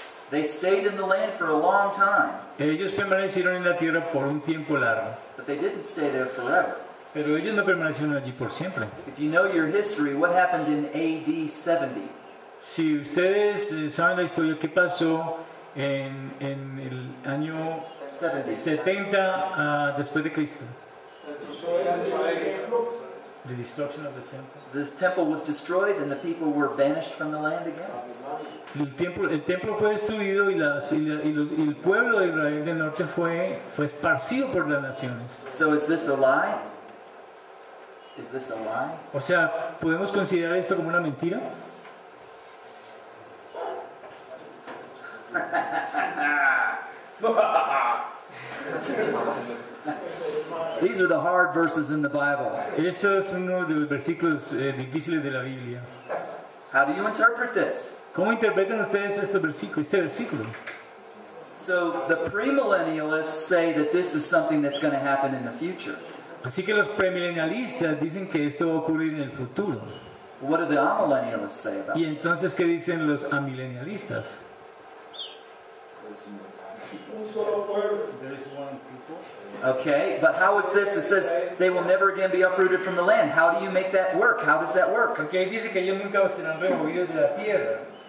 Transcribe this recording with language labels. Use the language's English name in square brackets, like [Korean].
[English] They stayed in the land for a long time. [Spanish] Ellos permanecieron en la tierra por un tiempo largo. [English] But they didn't stay there forever. [Spanish] Pero ellos no permanecieron allí por siempre. [English] If you know your history, what happened in AD 70? [Spanish] Si ustedes saben la historia, ¿qué pasó en el año 70 después de Cristo? [English] The destruction of the temple. This temple was destroyed and the people were banished from the land again. [Spanish] El templo fue destruido y el pueblo de Israel del norte fue esparcido por las naciones. [English] So is this a lie? Is this a lie? [Spanish] O sea, ¿podemos considerar esto como una mentira? [English] These are the hard verses in the Bible. [Spanish] Esto es uno de los versículos difíciles de la Biblia. [English] How do you interpret this? [Spanish] ¿Cómo interpretan ustedes este versículo? [English] So the premillennialists say that this is something that's going to happen in the future. [Spanish] Así que los premillennialistas dicen que esto va a ocurrir en el futuro. [English] What do the amillennialists say about it? [Spanish] ¿Y entonces qué dicen los amillennialistas? [English] Okay, but how is this? It says they will never again be uprooted from the land. How do you make that work? How does that work? [Spanish] Okay, dice que ellos nunca serán removidos de la tierra.